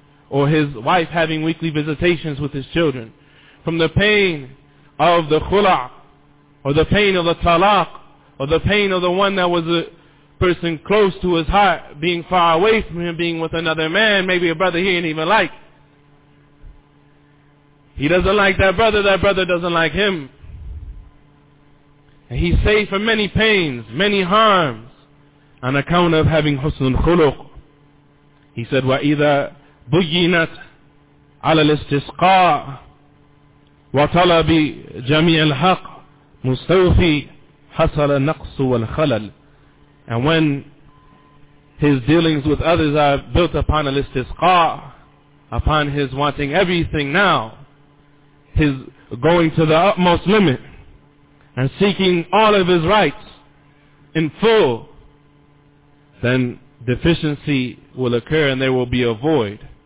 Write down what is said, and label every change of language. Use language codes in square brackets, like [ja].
[en] or his wife having weekly visitations with his children, from the pain of the khula, or the pain of the talaq, or the pain of the one that was a person close to his heart, being far away from him, being with another man, maybe a brother he didn't even like. He doesn't like that brother doesn't like him. And he's saved from many pains, many harms, on account of having husnul khuluq. He said, [ar] وَإِذَا بُيِّنَتْ عَلَى الْإِسْتِسْقَاءِ وَطَلَبِ جَمِيعِ الْحَقِّ مُسْتَوْفِي حَصَلَ النَّقْصُ وَالْخَلَلِ. [en] And when his dealings with others are built upon al-istisqa, upon his wanting everything now, his going to the utmost limit, and seeking all of his rights in full, then deficiency will occur and there will be a void.